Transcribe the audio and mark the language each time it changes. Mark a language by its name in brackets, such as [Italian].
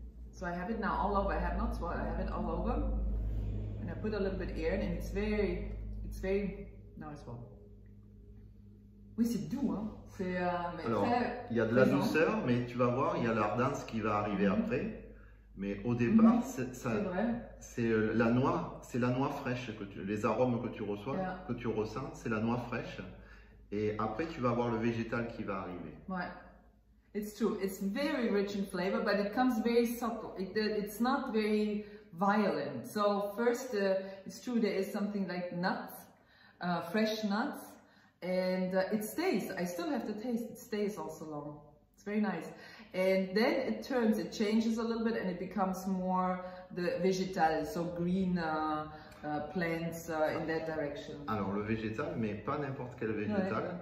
[English] So I have it now all over. I have not swallowed. I have it all over. And I put a little bit air in, and it's very now I swallow. [French] Oui, c'est doux, hein. C'est alors, il y a de la douceur, mais tu vas voir, il y a l'ardence qui va arriver après. Mais au départ, c'est la noix, c'est la noix fraîche que les arômes que tu reçois, que tu ressens, c'est la noix fraîche. Et après, tu vas voir le végétal qui va arriver. [English] Ouais, it's true. It's very rich in flavor, but it comes very subtle. It's not very violent. So first, it's true there is something like nuts, fresh nuts. And it stays, I still have to taste, it stays also long, it's very nice. And then it turns, it changes a little bit and it becomes more the végétal, so green plants in that direction. [French] Alors le végétal, mais pas n'importe quel végétal.